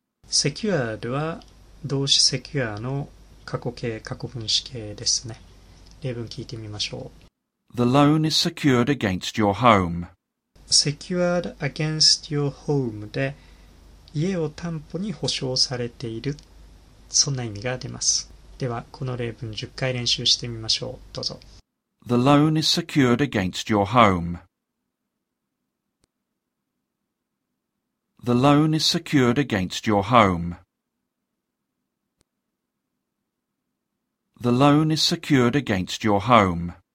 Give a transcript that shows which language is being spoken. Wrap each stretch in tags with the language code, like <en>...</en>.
<ja>Secured は動詞 secure の過去形過去分詞形ですね。例文聞いてみましょう。</ja> <en>The loan is secured against your home. Secured against your home</en> <ja>で家を担保に保証されている。そんな意味が出ます。ではこの例文10回練習してみましょう。どうぞ。</ja> <en>The loan is secured against your home. The loan is secured against your home. The loan is secured against your home.</en>